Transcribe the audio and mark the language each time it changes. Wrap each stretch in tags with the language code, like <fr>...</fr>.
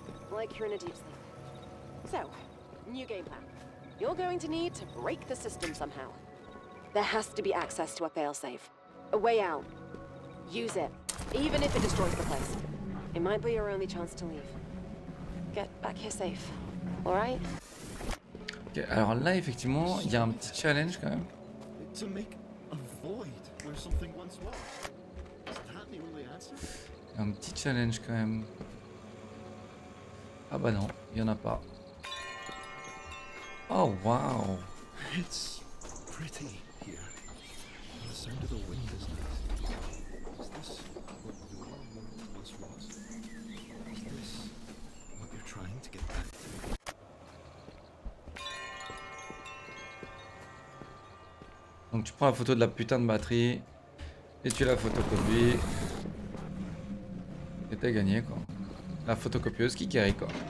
<en>Like you're in a deep sleep. So, new game plan. You're going to need to break the system somehow. There has to be access to a failsafe. A way out. Use it. Even if it destroys the place. It might be your only chance to leave. Get back here safe. Alright?</en> <fr>Okay, alors là, effectivement, il y a un petit challenge quand même.</fr> <en>To make a void where something once was. Is that the only answer?</en> <fr>Un petit challenge quand même. Ah bah non, il y en a pas.</fr> <en>Oh wow. It's pretty here. The sound of the wind is nice. Is this what you are once was? Is this what you're trying to get back?</en> <fr>Donc tu prends la photo de la putain de batterie et tu la photocopies et t'as gagné quoi. La photocopieuse qui carry quoi.</fr>